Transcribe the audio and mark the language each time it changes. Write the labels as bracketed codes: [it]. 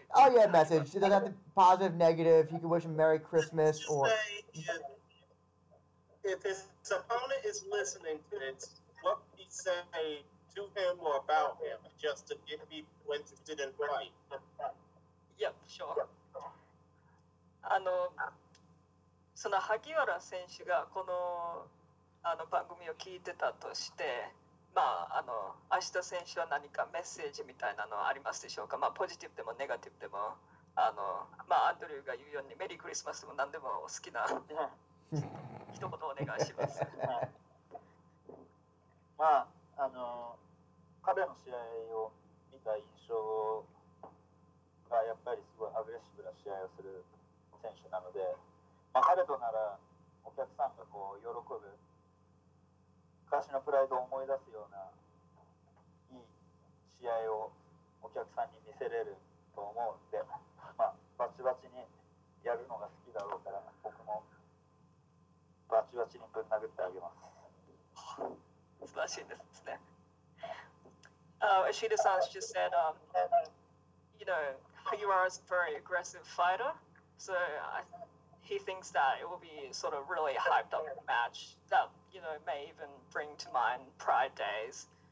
[en] Oh, yeah, message. It doesn't have to be positive, negative. You can wish him Merry Christmas. Just or if his opponent is listening to this, what would he say to him or about him, just to get people interested in fight? Yep, sure. [ja] その萩原選手がこの番組を聞いてたとして、まあ明日選手は何かメッセージみたいなのありますでしょうか？まあポジティブでもネガティブでも、まあアンドリューが言うようにメリークリスマスでも何でも好きな一言お願いします。まあ彼の試合を見た印象がやっぱりすごいアグレッシブな試合をする選手なので、まあ、彼とならお客さんがこう喜ぶ昔のプライドを思い出すようないい試合をお客さんに見せれると思うんで、まあ、バチバチにやるのが好きだろうから僕もバチバチにぶん殴ってあげます。素晴らしいですね。 [en] Ishida-san just said, you know, Hagiwara is a very aggressive fighter, so he thinks that it will be sort of really hyped up match that, you know, may even bring to mind Pride days.